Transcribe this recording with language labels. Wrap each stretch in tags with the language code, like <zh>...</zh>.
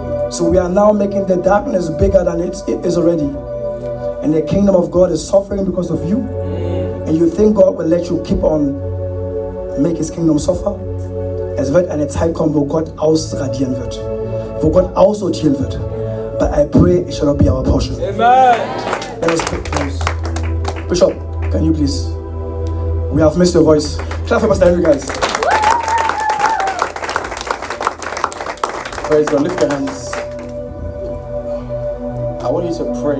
<en>So we are now making the darkness bigger than it is already. And the kingdom of God is suffering because of you. And you think God will let you keep on make his kingdom suffer?</en> <de>Es wird eine Zeit kommen, wo Gott ausradieren wird. Wo Gott aussortieren wird.</de> <en>But I pray it shall not be our portion. Amen. Let us pray, please. Bishop, can you please? We have missed your voice. Clap for Pastor Henry, guys. Praise God. Lift your hands. I want you to pray.</en>